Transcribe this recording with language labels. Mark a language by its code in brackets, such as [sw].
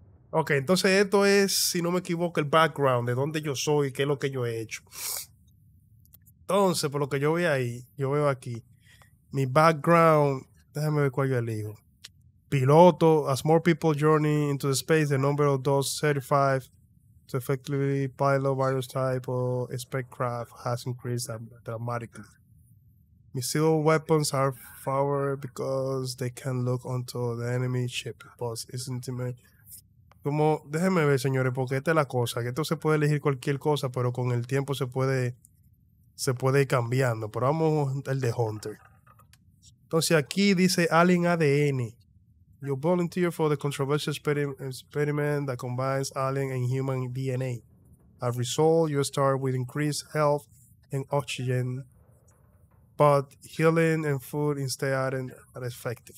[es] Ok, entonces esto es, si no me equivoco, el background, de dónde yo soy, qué es lo que yo he hecho. Entonces, por lo que yo veo ahí, yo veo aquí, mi background, déjame ver cuál yo elijo. [en] Piloto, as more people journey into the space, the number of those certified. To effectively pilot various type of spacecraft has increased dramatically. Missile weapons are powered because they can look onto the enemy ship. But isn't it me? [es] Como, déjenme ver, señores, porque esta es la cosa. Que esto se puede elegir cualquier cosa, pero con el tiempo se puede ir cambiando. Pero vamos el de Hunter. Entonces aquí dice Alien ADN. [en] You volunteer for the controversial experiment that combines alien and human DNA. As a result, you start with increased health and oxygen, but healing and food instead aren't effective.